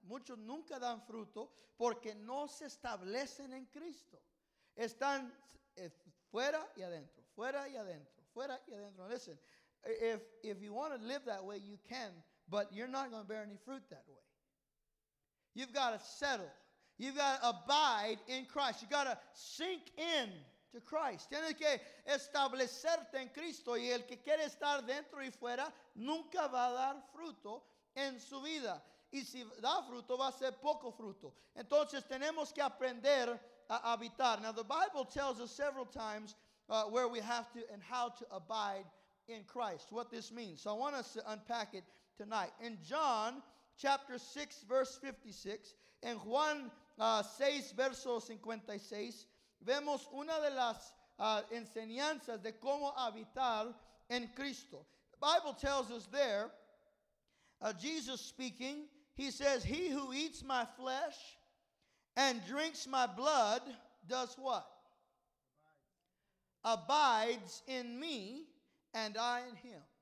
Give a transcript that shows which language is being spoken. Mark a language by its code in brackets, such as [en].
[es] Muchos nunca dan fruto porque no se establecen en Cristo. Están fuera y adentro, fuera y adentro, fuera y adentro. [en] Listen, if you want to live that way, you can, but you're not going to bear any fruit that way. You've got to settle. You've got to abide in Christ. You've got to sink in to Christ. [es] Tienes que establecerte en Cristo, y el que quiere estar dentro y fuera nunca va a dar fruto en su vida, y si da fruto va a ser poco fruto. Entonces tenemos que aprender a habitar. [en] Now the Bible tells us several times where we have to and how to abide in Christ, what this means. So I want us to unpack it tonight. In John chapter 6 verse 56, [es] en Juan 6, verso 56, vemos una de las enseñanzas de cómo habitar en Cristo. [en] The Bible tells us there, Jesus speaking, he says, he who eats my flesh and drinks my blood does what? Abides in me and I in him.